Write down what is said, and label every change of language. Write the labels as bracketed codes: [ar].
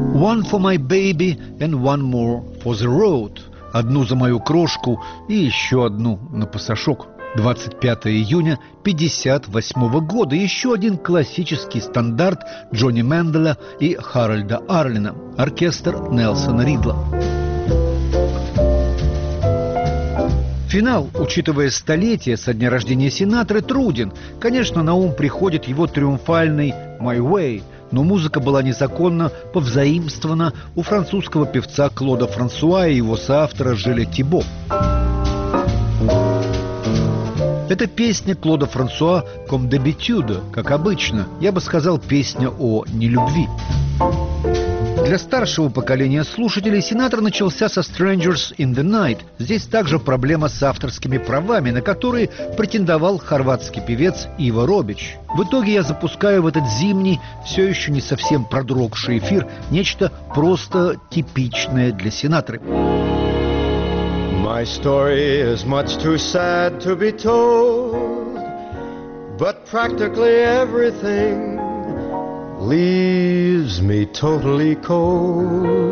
[en] One for my baby and one more for the road. [ru] Одну за мою крошку и еще одну на пасашок. 25 июня 58 года. Еще один классический стандарт Джонни Менделя и Харальда Арлина. Оркестр Нелсона Ридла. Финал, учитывая столетие со дня рождения Синатры, труден. Конечно, на ум приходит его триумфальный «My Way», но музыка была незаконно повзаимствована у французского певца Клода Франсуа и его соавтора Жиля Тибо. Это песня Клода Франсуа «Comme d'habitude», как обычно. Я бы сказал, песня о нелюбви. Для старшего поколения слушателей Синатра начался со «Strangers in the Night». Здесь также проблема с авторскими правами, на которые претендовал хорватский певец Иво Робич. В итоге я запускаю в этот зимний, все еще не совсем продрогший эфир, нечто просто типичное для Синатры. [en] My story is much too sad to be told, but practically everything leaves me totally cold.